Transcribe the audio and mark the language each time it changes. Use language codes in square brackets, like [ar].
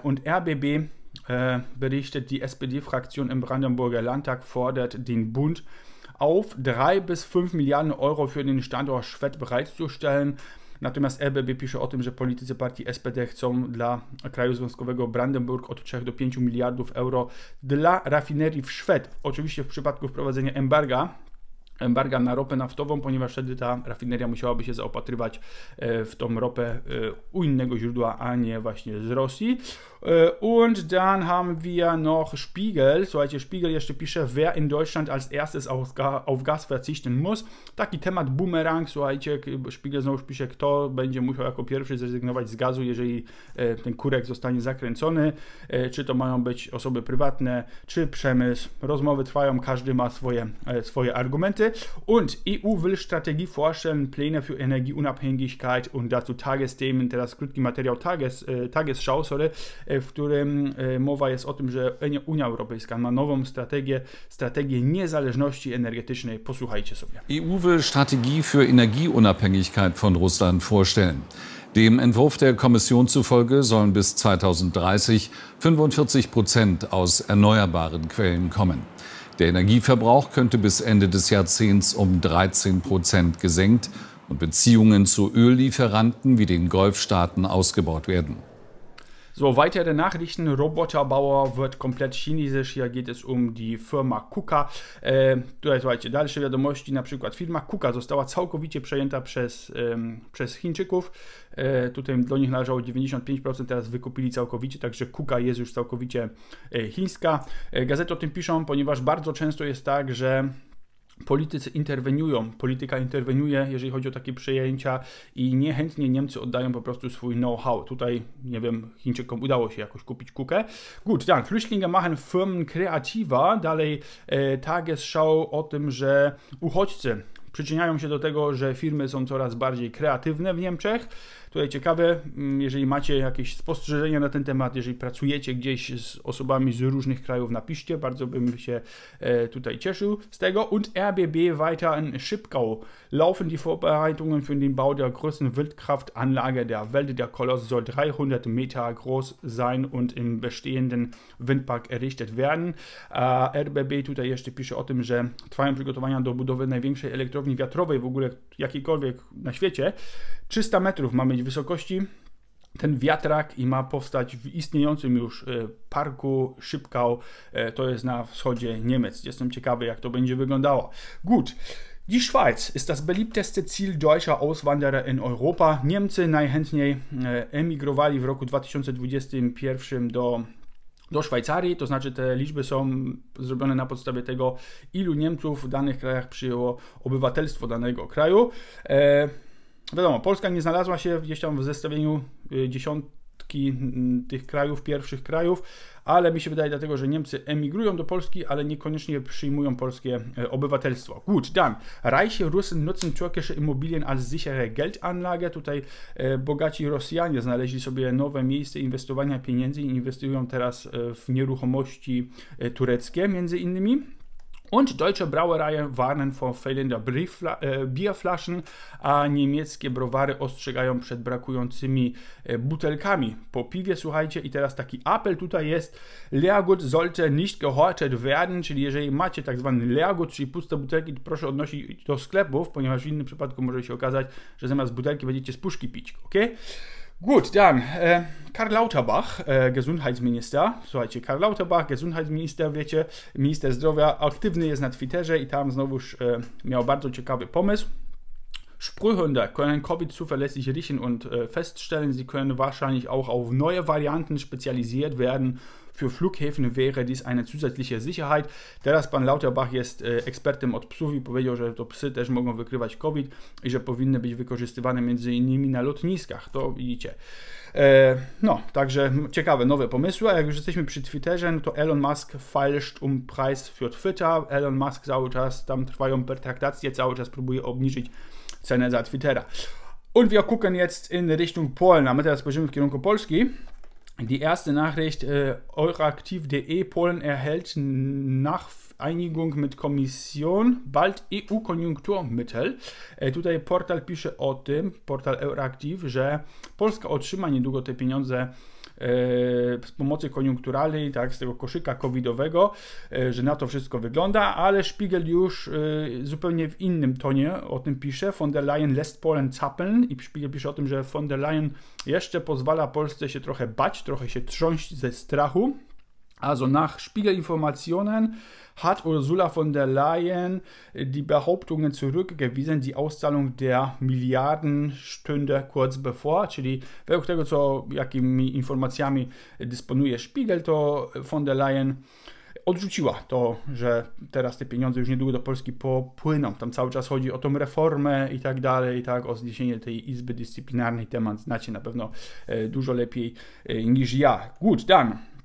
[de] Und RBB berichtet, die SPD-Fraktion im Brandenburger Landtag fordert den Bund auf, 3 bis 5 Milliarden Euro für den Standort Schwedt bereitzustellen. [pl] Natomiast RBB pisze o tym, że politycy partii SPD chcą dla kraju związkowego Brandenburg od 3 do 5 miliardów euro dla rafinerii w Szwed. Oczywiście w przypadku wprowadzenia embarga na ropę naftową, ponieważ wtedy ta rafineria musiałaby się zaopatrywać w tą ropę u innego źródła, a nie właśnie z Rosji. [de] Und dann haben wir noch Spiegel. [pl] Słuchajcie, Spiegel jeszcze pisze, [de] wer in Deutschland als erstes auf Gas verzichten muss. [pl] Taki temat bumerang, słuchajcie, Spiegel znowu pisze, kto będzie musiał jako pierwszy zrezygnować z gazu, jeżeli ten kurek zostanie zakręcony. Czy to mają być osoby prywatne, czy przemysł. Rozmowy trwają, każdy ma swoje argumenty. [de] Und EU will Strategie vorstellen, Pläne für Energieunabhängigkeit und dazu Tagesthemen. [pl] Teraz krótki materiał Tagesschau, w którym mowa jest o tym, że Unia Europejska ma nową strategię niezależności energetycznej. Posłuchajcie sobie. [de] EU will Strategie für Energieunabhängigkeit von Russland vorstellen. Dem Entwurf der Kommission zufolge sollen bis 2030 45% aus erneuerbaren Quellen kommen. Der Energieverbrauch könnte bis Ende des Jahrzehnts um 13% gesenkt und Beziehungen zu Öllieferanten wie den Golfstaaten ausgebaut werden. So, weitere Nachrichten. Roboterbauer wird komplett chinesisch. Hier geht es um die Firma KUKA. [pl] Tutaj słuchajcie, dalsze wiadomości. Na przykład firma KUKA została całkowicie przejęta przez Chińczyków. Tutaj do nich należało 95%, teraz wykupili całkowicie, także KUKA jest już całkowicie chińska. Gazety o tym piszą, ponieważ bardzo często jest tak, że politycy interweniują, polityka interweniuje, jeżeli chodzi o takie przejęcia i niechętnie Niemcy oddają po prostu swój know-how. Tutaj, nie wiem, Chińczykom udało się jakoś kupić KUKĘ. [de] Gut, dann, Flüchtlinge machen Firmen kreativer. [pl] Dalej, Tagesschau o tym, że uchodźcy przyczyniają się do tego, że firmy są coraz bardziej kreatywne w Niemczech. Tutaj ciekawe, jeżeli macie jakieś spostrzeżenia na ten temat, jeżeli pracujecie gdzieś z osobami z różnych krajów, napiszcie, bardzo bym się tutaj cieszył z tego. [de] Und RBB weiter in Schipkau. Laufen die Vorbereitungen für den Bau der größten Windkraftanlage der Welt. Der Koloss soll 300 Meter groß sein und im bestehenden Windpark errichtet werden. [pl] RBB tutaj jeszcze pisze o tym, że trwają przygotowania do budowy największej elektrowni wiatrowej w ogóle jakiejkolwiek na świecie. 300 metrów ma mieć wysokości ten wiatrak i ma powstać w istniejącym już parku Schipkau. To jest na wschodzie Niemiec. Jestem ciekawy, jak to będzie wyglądało. [de] Gut. Die Schweiz ist das beliebteste Ziel deutscher Auswanderer in Europa. [pl] Niemcy najchętniej emigrowali w roku 2021 do Szwajcarii, to znaczy te liczby są zrobione na podstawie tego, ilu Niemców w danych krajach przyjęło obywatelstwo danego kraju. Wiadomo, Polska nie znalazła się gdzieś tam w zestawieniu dziesiątki tych krajów, pierwszych krajów, ale mi się wydaje dlatego, że Niemcy emigrują do Polski, ale niekoniecznie przyjmują polskie obywatelstwo. [de] Gut, dann. Reiche Russen nutzen türkische Immobilien als sichere Geldanlage. [pl] Tutaj bogaci Rosjanie znaleźli sobie nowe miejsce inwestowania pieniędzy i inwestują teraz w nieruchomości tureckie między innymi. [de] Und deutsche Brauereien warnen vor fehlender Bierflaschen, [pl] a niemieckie browary ostrzegają przed brakującymi butelkami po piwie, słuchajcie. I teraz taki apel tutaj jest: [de] Leergut sollte nicht gehortet werden, [pl] czyli jeżeli macie tak zwany Leergut, czyli puste butelki, to proszę odnosić do sklepów, ponieważ w innym przypadku może się okazać, że zamiast butelki będziecie z puszki pić, ok? [de] Gut, dann, [pl] Karl Lauterbach, Gesundheitsminister, słuchajcie, Karl Lauterbach, Gesundheitsminister, wiecie, minister zdrowia, aktywny jest na Twitterze i tam znowuż miał bardzo ciekawy pomysł. [de] Sprühhunde können Covid zuverlässig riechen und feststellen, sie können wahrscheinlich auch auf neue Varianten spezialisiert werden. Für Flughäfen wäre dies eine zusätzliche Sicherheit. [pl] Teraz pan Lauterbach jest ekspertem od psów i powiedział, że to psy też mogą wykrywać COVID i że powinny być wykorzystywane między innymi na lotniskach. To widzicie. No, także ciekawe nowe pomysły. A jak już jesteśmy przy Twitterze, no to Elon Musk [de] falscht um Preis für Twitter. [pl] Elon Musk cały czas, tam trwają pertraktacje, cały czas próbuje obniżyć cenę za Twittera. [de] Und wir gucken jetzt in Richtung Polen. [pl] A my teraz spojrzymy w kierunku Polski. [de] Die erste Nachricht, euraktiv.de, Polen erhält nach Einigung mit Kommission bald EU-Koniunkturmittel. [pl] Tutaj portal pisze o tym, portal Euraktiv, że Polska otrzyma niedługo te pieniądze z pomocy koniunkturalnej, tak, z tego koszyka covidowego, że na to wszystko wygląda, ale Spiegel już zupełnie w innym tonie o tym pisze. [de] Von der Leyen lässt Polen zappeln [pl] i Spiegel pisze o tym, że von der Leyen jeszcze pozwala Polsce się trochę bać, trochę się trząść ze strachu. [de] Also nach Spiegelinformationen hat Ursula von der Leyen die Behauptungen zurückgewiesen, die Auszahlung der Milliarden stünde kurz bevor. [pl] Czyli według tego, co, jakimi informacjami dysponuje Spiegel, to von der Leyen odrzuciła to, że teraz te pieniądze już niedługo do Polski popłyną. Tam cały czas chodzi o tą reformę i tak dalej, tak, o zniesienie tej Izby Dyscyplinarnej. Temat znacie na pewno dużo lepiej niż ja. [de] Gut, dann.